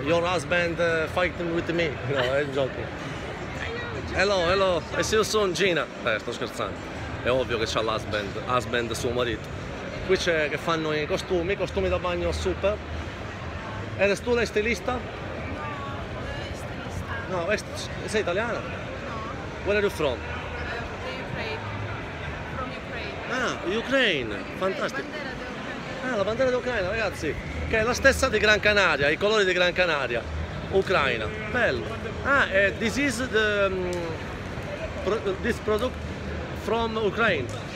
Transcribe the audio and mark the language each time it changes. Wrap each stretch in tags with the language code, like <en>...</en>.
<en>Your husband fighting with me. No, I'm joking. Hello, hello, I see you soon, Gina.</en> <it>Sto scherzando. È ovvio che c'ha l'husband suo marito. Qui c'è che fanno i costumi da bagno super.</it> <es>Eres tu</es> <it>la stilista? No, la stilista. No, sei italiana? No.</it> <en>Where are you from? Ah, Ukraine,</en> <it>fantastico.</it> <en>Ukraine.</en> <it>Ah, la bandiera d'Ucraina, ragazzi. Che è la stessa di Gran Canaria, i colori di Gran Canaria. Ucraina, bello.</it> <en>Ah, this is the this product from Ukraine.</en>